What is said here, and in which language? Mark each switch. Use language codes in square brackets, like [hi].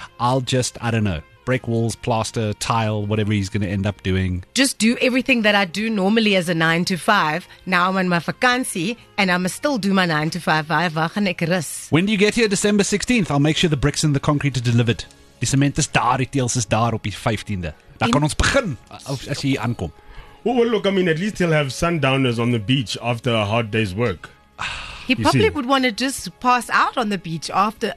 [en] I'll just, I don't know, break walls, plaster, tile, whatever he's going to end up doing. Just do everything that I do normally as a 9 to 5. Now I'm on my vakansie and I must still do my 9 to 5. [af] Waar gaan ek rus? [en] When do you get here? December 16th. I'll make sure the bricks and the concrete are delivered. [af] Die sement is daar, die teëls is daar op die 15de. Dan kan ons begin as jy hier aankom. [en] Well, look, I mean, at least he'll have sundowners on the beach after a hard day's work. He probably would want to just pass out on the beach after.